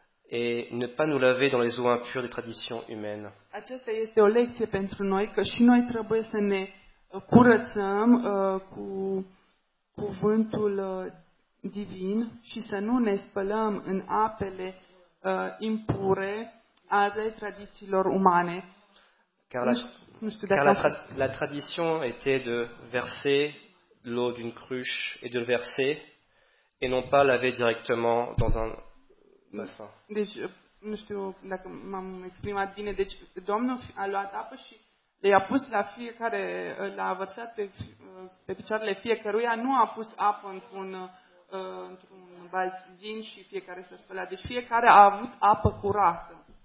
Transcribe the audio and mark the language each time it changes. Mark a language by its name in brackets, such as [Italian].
[French] et ne pas nous laver dans les eaux impures des traditions humaines. [Romanian] Aceasta este o lecție pentru noi că și noi trebuie să ne curățăm cu cuvântul divin și să nu ne spălăm în apele impure ale tradițiilor umane. [French] Car la tradition était de verser l'eau d'une cruche et de le verser et non pas laver directement dans un bassin. [Romanian] Deci, nu știu dacă m-am exprimat bine, deci Domnul a luat apă și le-a pus la fiecare, l-a vărsat pe picioarele fiecăruia, nu a pus apă într-un bazin și fiecare s-a spălat. Deci fiecare a avut apă curată.